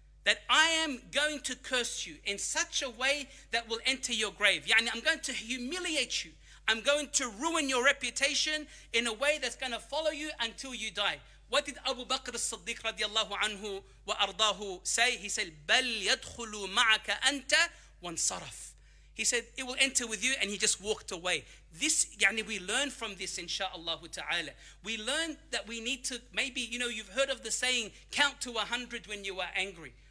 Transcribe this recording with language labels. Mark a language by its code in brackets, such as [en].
[en] That I am going to curse you in such a way that will enter your grave. يعني, I'm going to humiliate you. I'm going to ruin your reputation in a way that's going to follow you until you die. What did Abu Bakr as-Siddiq radiyallahu anhu wa ardahu say? He said, [ar] بَلْ يَدْخُلُ مَعَكَ أَنْتَ وَانْصَرَفْ. [en] He said, it will enter with you, and he just walked away. This, yani, we learn from this, insha'Allah ta'ala. We learn that we need to, maybe, you know, you've heard of the saying, count to 100 when you are angry.